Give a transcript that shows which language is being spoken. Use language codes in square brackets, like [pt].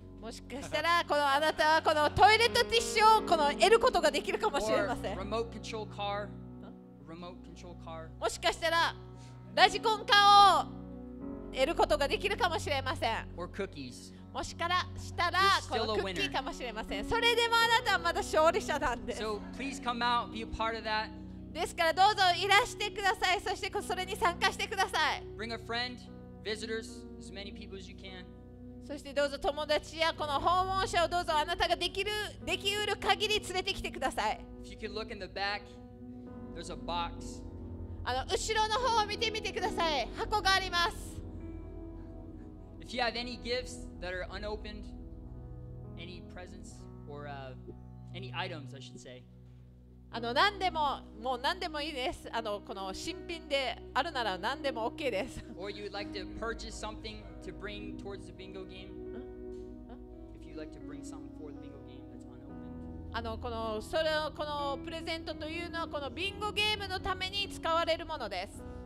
[ja] もしかしたらこのあなたはこのトイレットティッシュをこの得ることができるかもしれません。 [en] Or remote control car. Remote control car. [ja] もしかしたらラジコンカーを得ることができるかもしれません。 [en] Or cookies. [ja] もしからしたらこのクッキーかもしれません。それでもあなたはまだ勝利者なんです。 [en] So please come out, be a part of that. [ja] ですからどうぞいらしてください。そしてそれに参加してください。 [en] Bring a friend, visitors, as many people as you can. [ja] そしてどうぞ友達やこの訪問者をどうぞあなたができるできうる限り連れてきてください。 [en] If you can look in the back, there's a box. [ja] 後ろの方を見てみてください。箱があります。 [en] If you have any gifts that are unopened, any presents or any items, I should say. [ja] 何でも、もう何でもいいです。この新品であるなら何でも OK です。 [en] Or you would like to purchase something to bring towards the bingo game. If you'd like to bring something for the bingo game that's unopened. [ja] このプレゼントというのはこのビンゴゲームのために使われるものです。